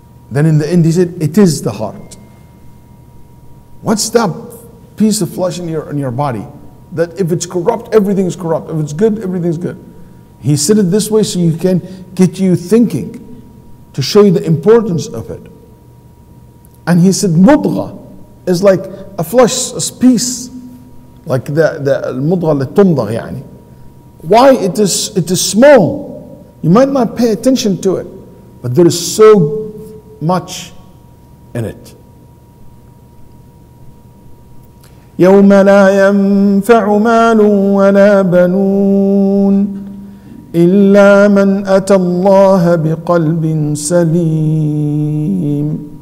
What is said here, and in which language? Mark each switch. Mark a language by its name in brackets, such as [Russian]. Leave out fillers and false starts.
[English] Then in the end he said, it is the heart. What's that piece of flesh in your body? That if it's corrupt, everything is corrupt. If it's good, everything's good. He said it this way so you can get you thinking, to show you the importance of it. And he said, mudgha is like a flesh, a piece. Like the [Arabic] المضغة لتمضغ يعني. [English] Why it is small? You might not pay attention to it, but there is so much in it. [Arabic] يوم لا ينفع مال ولا بنون إلا من أتى الله بقلب سليم